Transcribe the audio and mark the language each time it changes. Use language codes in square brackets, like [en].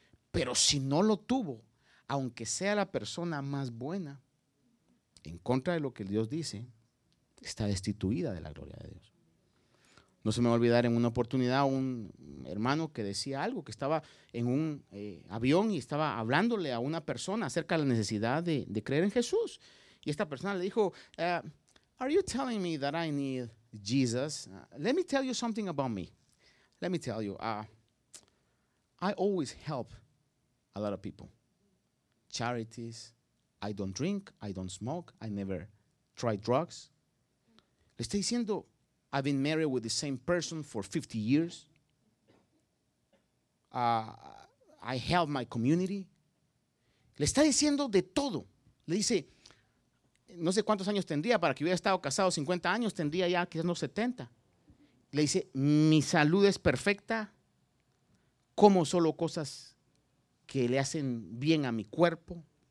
[es] Pero si no lo tuvo, aunque sea la persona más buena, en contra de lo que Dios dice, está destituida de la gloria de Dios. No se me va a olvidar en una oportunidad un hermano que decía algo, que estaba en un avión y estaba hablándole a una persona acerca de la necesidad de creer en Jesús. Y esta persona le dijo, are you telling me that I need Jesus? [en] Let me tell you something about me. Let me tell you, I always help a lot of people. Charities, I don't drink, I don't smoke, I never try drugs. Le estoy diciendo, I've been married with the same person for 50 years. I help my community. [es] Le está diciendo de todo. Le dice, no sé cuántos años tendría para que hubiera estado casado, 50 años, tendría ya quizás no 70. Le dice, mi salud es perfecta. Como solo cosas que le hacen bien a mi cuerpo.